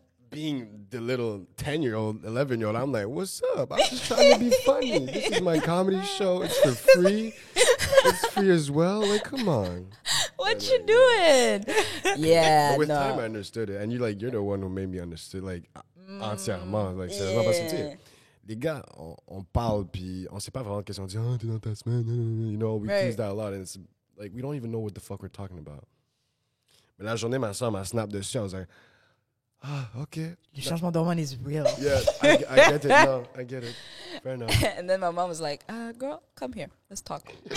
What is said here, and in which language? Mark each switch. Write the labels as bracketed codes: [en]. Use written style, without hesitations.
[en] Being the little 10-year-old, 11-year-old, I'm like, what's up? I'm just trying to be funny. This is my comedy show. It's for free. It's free as well. Like, come on. What you like, doing? Yeah, but with time, I understood it. And you're like, you're the one who made me understand. [fr] Like, entièrement. Like, c'est vraiment pas senti. Les gars, on parle, puis on sait pas vraiment qu'est-ce qu'on dit. Ah, t'es dans ta semaine. [en] You know, we tease that a lot. And it's like, we don't even know what the fuck we're talking about. [fr] Mais la journée, ma soeur m'a snap dessus. [en] I was like, ah, okay. [fr] Le changement d'hormone [en] is real. Yeah, I get it. No, I get it. Fair enough. And then my mom was like, girl, come here. Let's talk.